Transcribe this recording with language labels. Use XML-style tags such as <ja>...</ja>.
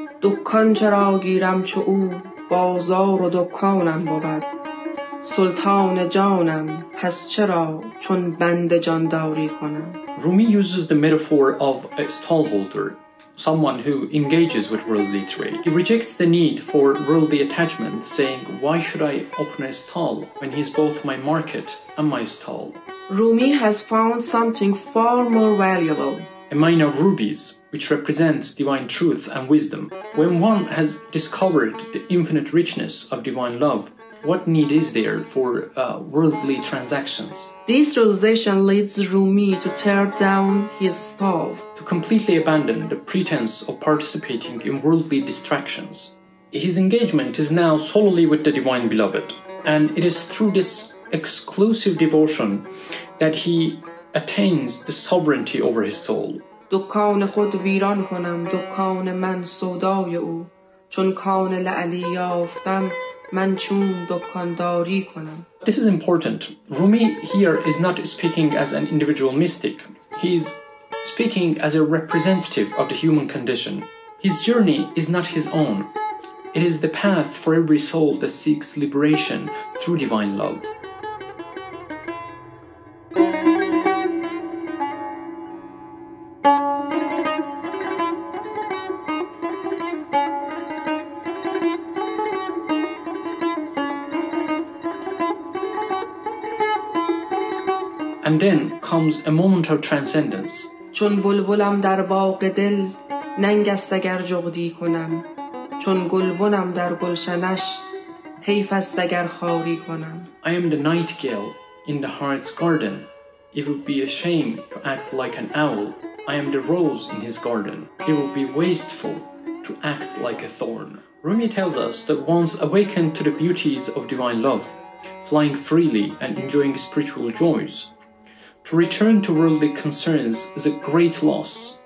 <fa>دکان چرا گیرم چو او بازار و دکانم بود سلطان جانم پس چرا چون بند جانداری کنم.</fa> <en>Rumi uses the metaphor of a stallholder, someone who engages with worldly trade. He rejects the need for worldly attachments, saying, "Why should I open a stall when he's both my market and my stall?" Rumi has found something far more valuable. A mine of rubies, which represents divine truth and wisdom. When one has discovered the infinite richness of divine love, what need is there for worldly transactions? This realization leads Rumi to tear down his stall. To completely abandon the pretense of participating in worldly distractions. His engagement is now solely with the divine beloved. And it is through this exclusive devotion that he attains the sovereignty over his soul.</en> <fa>دکان خود ویران کنم دکان من سودای او چون کان لعلی یافتم من چون دکانداری کنم.</fa> <en>This is important. Rumi here is not speaking as an individual mystic. He's speaking as a representative of the human condition. His journey is not his own. It is the path for every soul that seeks liberation through divine love. And then comes a moment of transcendence.</en> <fa>چون بلبلم در باغ دل ننگ است اگر جغدی کنم چون گلبنم در گلشنش حیف است اگر خاری کنم.</fa> <en>I am the nightingale in the heart's garden. It would be a shame to act like an owl. I am the rose in his garden. It would be wasteful to act like a thorn. Rumi tells us that once awakened to the beauties of divine love, flying freely and enjoying spiritual joys, to return to worldly concerns is a great loss.</en>